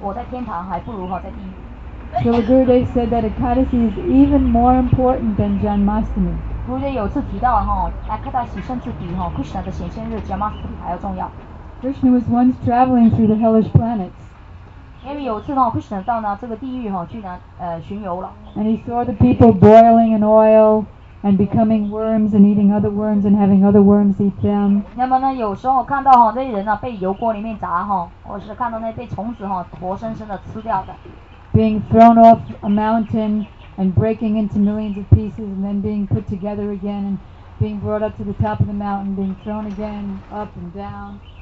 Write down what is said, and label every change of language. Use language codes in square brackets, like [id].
[en] Srila Gurudev said that Ekadasi is even more important than Janmashtami. Krishna was once traveling through the hellish planets. And he saw the people boiling in oil and becoming worms and eating other worms and having other worms eat them. [zh] 那么呢有时候看到这些人被油锅里面炸或是看到被虫子活生生的吃掉的 [en] being thrown off a mountain and breaking into millions of pieces and then being put together again and being brought up to the top of the mountain being thrown again up and down